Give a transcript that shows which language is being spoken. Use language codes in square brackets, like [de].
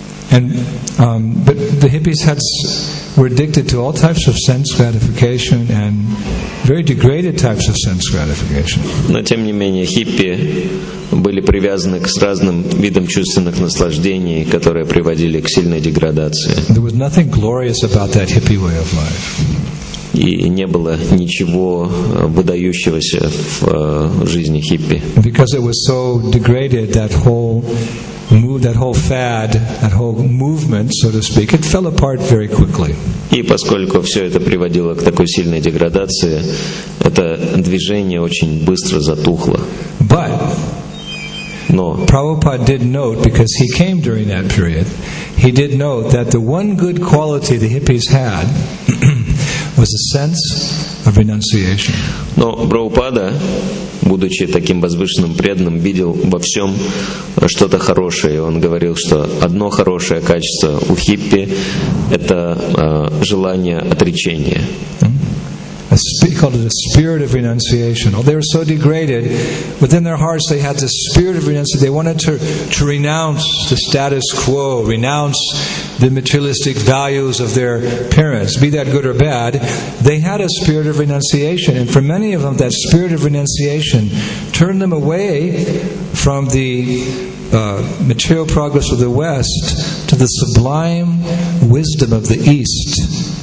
[en] And but the hippies were addicted to all types of sense gratification and very degraded types of sense gratification. [ru] Но тем не менее хиппи были привязаны к разным видам чувственных наслаждений, которые приводили к сильной деградации. [en] There was nothing glorious about that hippie way of life. [ru] И не было ничего выдающегося в жизни хиппи. [en] Because it was so degraded, that whole fad, that whole movement, so to speak, it fell apart very quickly. [ru] И поскольку все это приводило к такой сильной деградации, это движение очень быстро затухло. [en] But Prabhupada did note, because he came during that period, he did note that the one good quality the hippies had was a sense of renunciation. [ru] Но Прабхупада, будучи таким возвышенным преданным, видел во всем что-то хорошее. И он говорил, что одно хорошее качество у хиппи — это желание отречения. [en] He called it a spirit of renunciation. Oh, they were so degraded, within their hearts they had this spirit of renunciation. They wanted to renounce the status quo, renounce the materialistic values of their parents, be that good or bad. They had a spirit of renunciation, and for many of them, that spirit of renunciation turned them away from the material progress of the West to the sublime wisdom of the East.